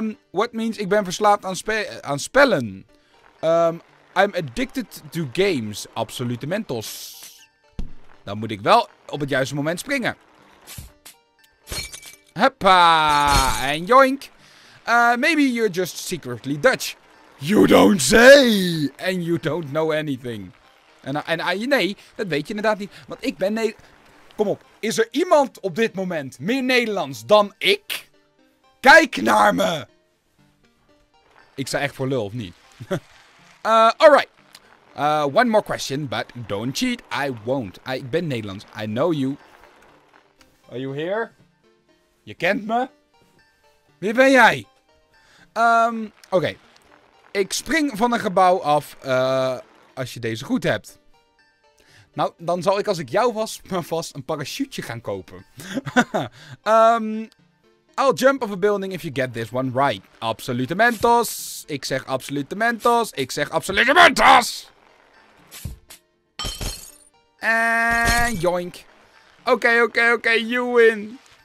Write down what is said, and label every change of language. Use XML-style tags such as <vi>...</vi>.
<en>What means</en> <nl>ik ben verslaafd aan, aan spellen?</nl> <en>I'm addicted to games.</en> <nl>Absolute mentos. Dan moet ik wel op het juiste moment springen. Hoppa. En joink.</nl> <en>Maybe you're just secretly Dutch. You don't say. And you don't know anything.</en> <nl>Nee, dat weet je inderdaad niet. Want ik ben Kom op. Is er iemand op dit moment meer Nederlands dan ik? Kijk naar me. Ik sta echt voor lul, of niet?</nl> <en>alright. One more question, but don't cheat. I won't.</en> <nl>Ik ben Nederlands.</nl> <en>I know you. Are you here?</en> <nl>Je kent me? Wie ben jij? Oké. Ik spring van een gebouw af, als je deze goed hebt. Nou, dan zal ik als ik jou was, maar vast een parachutje gaan kopen.</nl> <en>I'll jump off a building if you get this one right.</en> <nl>Absolute mentos. Ik zeg absolute mentos. Ik zeg absolute mentos. En joink. Oké,</nl> <en>you win.</en>